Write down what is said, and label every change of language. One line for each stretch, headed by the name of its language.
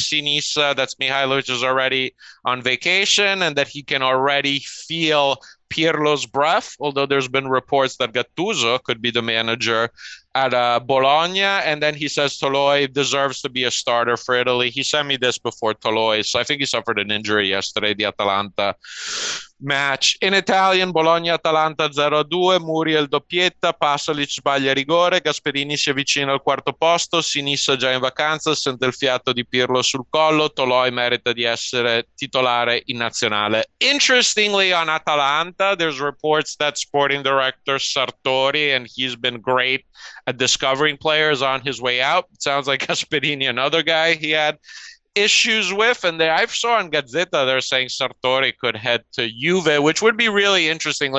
English: Sinisa, that's Mihailovic, is already on vacation, and that he can already feel Pirlo's breath, although there's been reports that Gattuso could be the manager at Bologna. And then he says Toloi deserves to be a starter for Italy. He sent me this before Toloi. So I think he suffered an injury yesterday, the Atalanta match. In Italian,
Italian: Bologna-Atalanta 0-2, Muriel doppietta, Pasalic sbaglia rigore, Gasperini si avvicina al quarto posto, Sinisa già in vacanza, sente il fiato di Pirlo sul collo, Toloi merita di essere titolare in nazionale.
English: Interestingly, on Atalanta, there's reports that sporting director Sartori, and he's been great at discovering players on his way out. It sounds like Gasperini, another guy he had issues with, and I saw on Gazzetta they're saying Sartori could head to Juve, which would be really interesting.